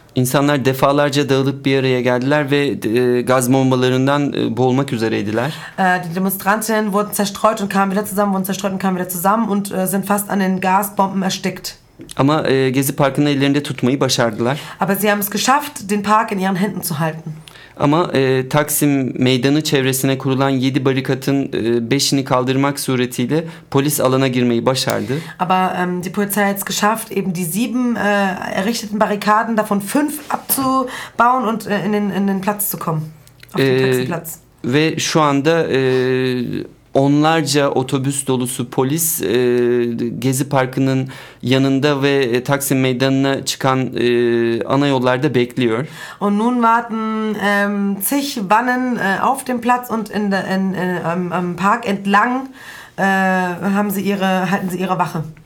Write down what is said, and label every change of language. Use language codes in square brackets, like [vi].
[tr] İnsanlar defalarca dağılıp bir araya geldiler ve gaz bombalarından boğulmak üzereydiler. [de] Die Demonstranten wurden zerstreut und kamen wieder zusammen, wurden zerstreut und kamen wieder zusammen und sind fast an den Gasbomben erstickt. [tr] Ama Gezi Parkı'nı ellerinde tutmayı başardılar. [de] Aber sie haben es geschafft, den Park in ihren Händen zu halten. [tr] Ama Taksim Meydanı çevresine kurulan 7 barikatın 5'ini kaldırmak suretiyle polis alana girmeyi başardı. [de] Aber die Polizei hat es geschafft, eben die 7 errichteten Barrikaden davon 5 abzubauen und in den Platz zu kommen. Auf den Taksimplatz. [tr] Ve şu anda onlarca otobüs dolusu polis Gezi Parkı'nın yanında ve Taksim Meydanı'na çıkan ana yollarda bekliyor. [de] Und nun warten zig Wannen auf dem Platz und am Park entlang halten sie ihre Wache.